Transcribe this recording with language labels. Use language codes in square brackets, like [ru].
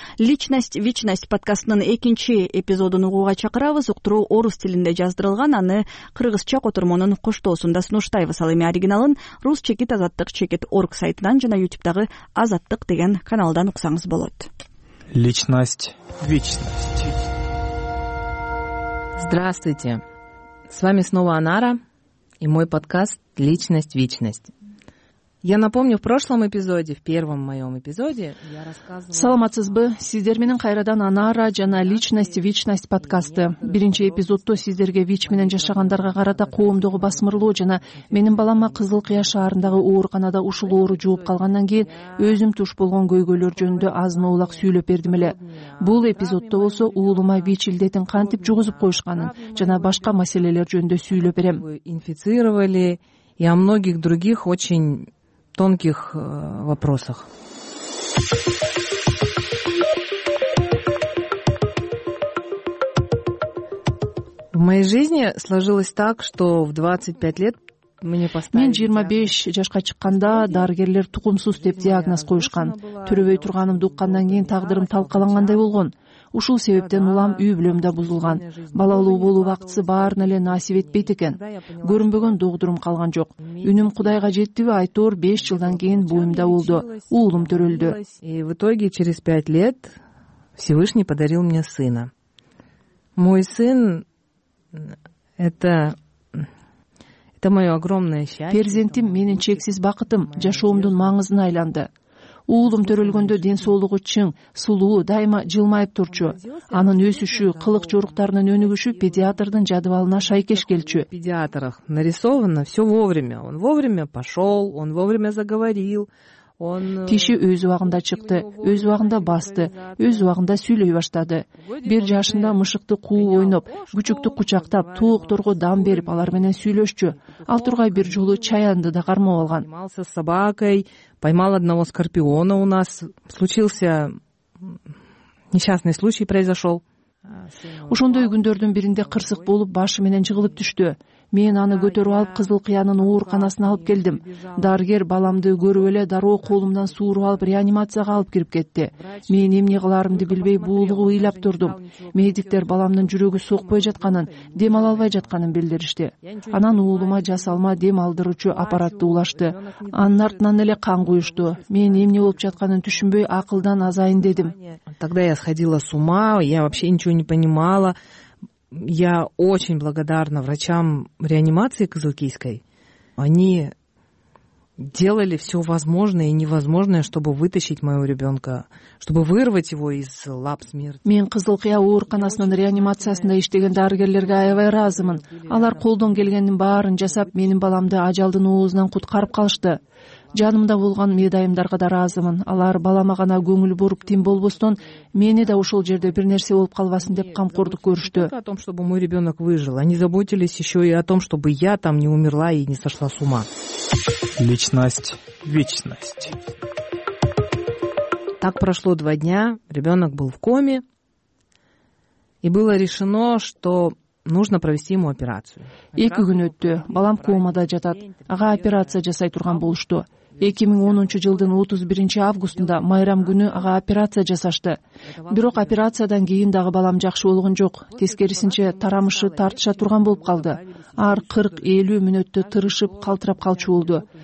[ky] Личность, вичность подкастынын экинчи эпизодун угууга чакырабыз. Уктуруу орус тилинде жаздырылган, аны кыргызча котормонун коштоосунда сунуштайбыз. Ал эми оригиналын Рус чекит азаттык чекит орг сайтынан жана YouTube-дагы азаттык деген каналдан уксаңыз болот. [ru] Личность, вечность. Здравствуйте, с вами снова Анара и мой подкаст «Личность, вечность». Я напомню, в прошлом эпизоде, в первом моем эпизоде, я рассказывала... [ky] Саламатсызбы, сиздер менен кайрадан Анара жана личность, вечность подкасты. Биринчи эпизодто сиздерге вич менен жашагандарга карата коомдогу басмырлоо жана менин балама Кызыл Кыя шаарындагы ооруканада ушул оору жууп калгандан кийин өзүм туш болгон көйгөйлөр жөнүндө азынаулак сүйлөп бердим эле. Бул эпизодто болсо уулума вич илдетин кантип жугузуп коюшканын жана башка маселелер жөнүндө сүйлөп берем. [ru] Инфицировали и о многих других очень тонких вопросах. В моей жизни сложилось так, что в 25 лет мне поставили... [ky] Мен 25 жашка чыкканда дарыгерлер тукумсуз деп диагноз коюшкан. Түрөбөй турганымды уккандан кийин тагдырым талкалангандай болгон. Ушул себептен улам үй бүлөм да бузулган. Балалуу болуу бактысы баарына эле насип этпейт экен. Көрүнбөгөн догдурум калган жок. Үнүм Кудайга жеттиби, айтор 5 жылдан кийин буюмда болду. Уулум төрөлдү. [ru] И в итоге через 5 лет Всевышний подарил мне сына. Мой сын это моё огромное счастье. [ky] Перзентим менин чексиз бакытым, жашоомдун маңызына айланды. Уулум төрөлгөндө ден соолугу чың, сулуу, дайыма жылмайып турчу. Анын өсүшү, кылык жоруктарынын өнүгүшү педиатрдын жадыбалына шайкеш келчү. [ru] Педиатрах нарисовано, все вовремя. Он вовремя пошел, он вовремя заговорил. [ky] Тиши өз убагында чыкты, өз убагында басты, өз убагында сүйлөй баштады. Бир жашында мышыкты кууп ойноп, күчүктү кучактап, туукторго дам берип алар менен сүйлөшчү. Ал тургай бир жолу чаянды да кармап алган. [ru] Поймал одного скорпиона у нас. Случился несчастный случай произошел. [ky] Ошондой күндөрдүн биринде кырсык болуп, башы менен жыгылып түштү. Мен аны көтөрүп алып, Кызыл Кыянын ооруканасына алып келдим. Дарыгер баламды көрүп эле дароо колумдан сууруп алып, реанимацияга алып кирип кетти. Мен эмне кыларымды билбей, буулугу ыйлап турдум. Медиктер баламдын жүрөгү сокпой жатканын, дем ала албай жатканын билдиришти. Анан уулума жасалма дем алдыруучу аппаратты улашты. Анын артынан эле кан куюшту. Мен эмне болуп жатканын түшүнбөй, акылдан азайын дедим. [ru] Тогда я сходила с ума, я вообще ничего не понимала. Я очень благодарна врачам реанимации Кызылкийской. Они делали все возможное и невозможное, чтобы вытащить моего ребенка, чтобы вырвать его из лап смерти. [ky] Мен Кызыл Кыя ооруканасынын реанимациясында иштеген дарыгерлерге аябай ыраазымын. Алар колдон келгендин баарын жасап, менин баламды ажалдын оозунан куткарып калышты. Жанымда болгон медайымдарга да ыраазымын. Алар балама гана көңүл буруп тим болбостон, мени да ошол жерде бир нерсе болуп калбасын деп камкордук көрүштү. [ru] О том, чтобы мой ребенок выжил. Они заботились еще и о том, чтобы я там не умерла и не сошла с ума. Личность – вечность. Так прошло 2 дня, ребенок был в коме, и было решено, что нужно провести ему операцию. [ky] 2 күн өттү, балам комада жатат, ага операция жасай турган болушту. 2010 жылдын 31 августунда майрам күнү ага операция жасашты. Бирок операциядан кийин дагы балам жакшы болгон жок. Тескерисинче тарамышы тартыша турган болуп калды. Ар 40-50 мүнөттө тырышып калтырап калчу болду.